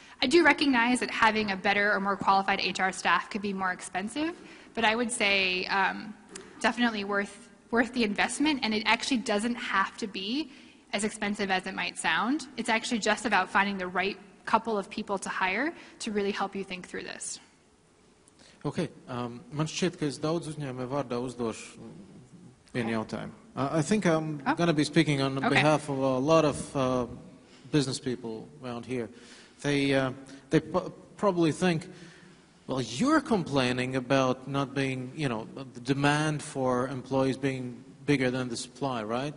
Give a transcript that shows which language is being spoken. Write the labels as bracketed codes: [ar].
[en] I do recognize that having a better or more qualified HR staff could be more expensive, but I would say definitely worth the investment, and it actually doesn't have to be as expensive as it might sound. It's actually just about finding the right couple of people to hire to really help you think through this. Okay. [lv] Man šķiet, ka es daudz uzņēmē vārdā uzdošu vienu jautājumu. [en] I think I'm going to be speaking on behalf of a lot of business people around here. They probably think, well, you're complaining about not being, you know, the demand for employees being bigger than the supply, right?